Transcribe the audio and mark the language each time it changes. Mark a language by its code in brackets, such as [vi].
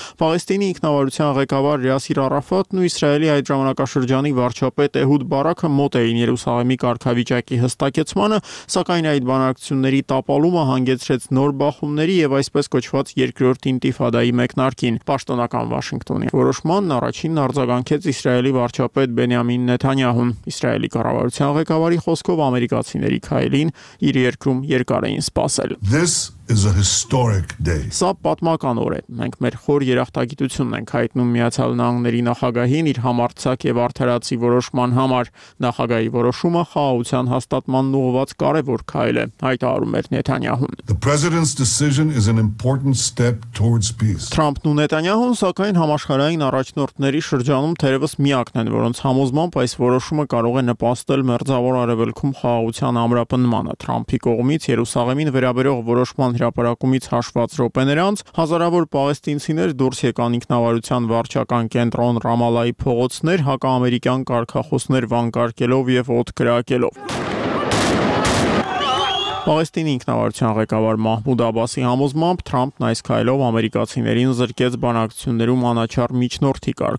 [hy] Պաղեստինի ինքնավարության ղեկավար Յասիր Արաֆատն ու Իսրայելի այդ ժամանակաշրջանի վարչապետ Էհուդ Բարակը մոտ էին Երուսաղեմի կարգավիճակի հստակեցմանը, սակայն այդ բանակցությունների տապալումը հանգեցրեց նոր բախումների և այսպես կոչված երկրորդ ինտիֆադայի մեկնարկին։ Պաշտոնական Վաշինգտոնի որոշմանն առաջինն արձագանքեց Իսրայելի վարչապետ Բենյամին Նեթանյահուն։ Իսրայելի կառավարության ղեկավարի խոսքով ամերիկացիների քայլին իր երկրում երկար էին սպասել։ [en] Is a historic day. [hy] Սա պատմական օր է։ Մենք մեր խոր երախտագիտությունն ենք հայտնում Միացյալ Նահանգների նախագահին իր համարձակ և արդարացի որոշման համար։ Նախագահի որոշումը խաղաղության հաստատման ուղղված կարևոր քայլ է, հայտարարում էր Նեթանյահուն։ [en] The president's decision is an important step towards peace. [hy] Թրամփն ու Նեթանյահուն, սակայն, համաշխարհային առաջնորդների շրջանում թերևս միակն են, որոնց համոզմամբ այս որոշումը կարող է նպաստել մերձավոր արևելքում խաղաղության ամրապնմանը։ Թրամփի կողմից Երուսաղեմին վերաբերող որոշման հրապարակումից հաշված րոպեներ անց հազարավոր պաղեստինցիներ դուրս եկան ինքնավարության վարչական կենտրոն Ռամալայի փողոցներ, հակաամերիկյան կարգախոսներ վանկարկելով և օդ կրակելով։ Պաղեստինի ինքնավարության ղեկավար Մահմուդ Աբասի համոզմամբ Թրամփն այս քայլով ամերիկացիներին զրկեց բանակցություններում անաչառ միջնորդի